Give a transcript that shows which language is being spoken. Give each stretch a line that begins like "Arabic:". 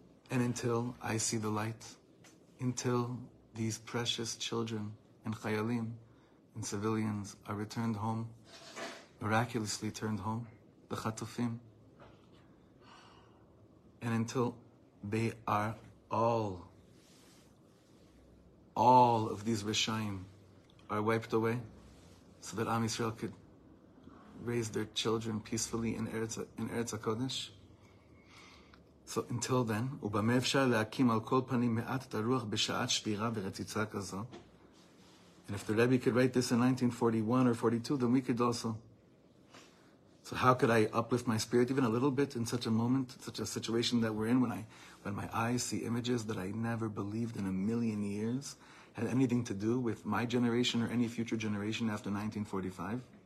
English: And until I see the light, until these precious children and chayalim and civilians are returned home, miraculously turned home, the chatufim, and until they are all of these rishayim are wiped away, so that Am Yisrael could raise their children peacefully in Eretz HaKodesh. So until then,
Hebrew: ובמה אפשר להקים על כל פנים מעט את הרוח בשעת שבירה ורציצה כזו?
English: And if the Rebbe could write this in 1941 or 42, then we could also. So how could I uplift my spirit even a little bit in such a moment, such a situation that we're in, when my eyes see images that I never believed in a million years had anything to do with my generation or any future generation after 1945?